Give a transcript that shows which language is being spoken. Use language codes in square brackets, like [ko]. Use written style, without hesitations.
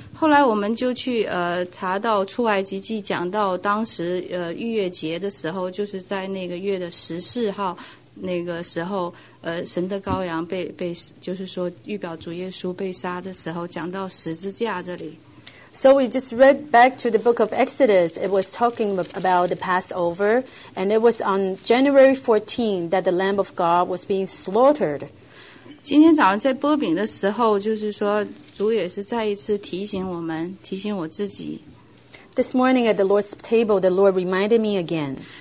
[zh] 后来我们就去查到出埃及记，讲到当时逾越节的时候，就是在那个月的十四号。那个时候，神的羔羊被就是说预表主耶稣被杀的时候，讲到十字架这里。 [en] So we just read back to the book of Exodus. It was talking about the Passover, and it was on January 14 that the Lamb of God was being slaughtered. [zh] 今天早上在擘饼的时候，就是说主也是再一次提醒我们，提醒我自己。 [en] This morning at the Lord's table, the Lord reminded me again.